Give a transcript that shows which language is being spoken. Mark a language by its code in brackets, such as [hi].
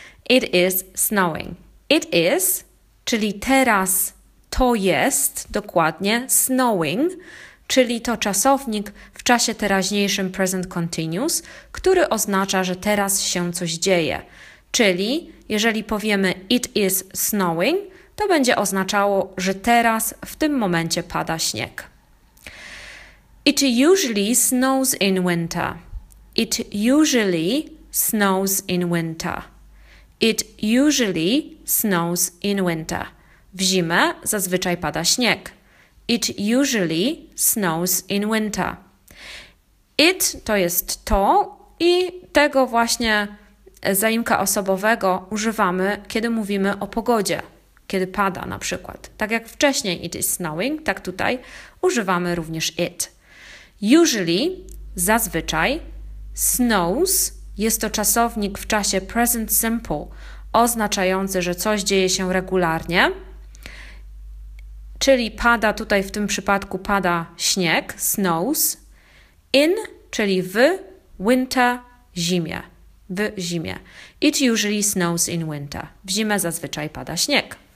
[en] It is snowing. It is, [pl] czyli teraz to jest, dokładnie, snowing, czyli to czasownik w czasie teraźniejszym present continuous, który oznacza, że teraz się coś dzieje. Czyli jeżeli powiemy [en] it is snowing, [pl] to będzie oznaczało, że teraz, w tym momencie pada śnieg. [en] It usually snows in winter. It usually snows in winter. It usually snows in winter. [pl] W zimę zazwyczaj pada śnieg. [en] It usually snows in winter. [pl] It to jest to i tego właśnie zaimka osobowego używamy, kiedy mówimy o pogodzie. Kiedy pada na przykład. Tak jak wcześniej [en] it is snowing, [pl] tak tutaj używamy również it. Usually, zazwyczaj, snows jest to czasownik w czasie present simple, oznaczający, że coś dzieje się regularnie, czyli pada tutaj w tym przypadku pada śnieg, snows, in, czyli w winter, zimie, w zimie. [en] It usually snows in winter. [pl] W zimę zazwyczaj pada śnieg.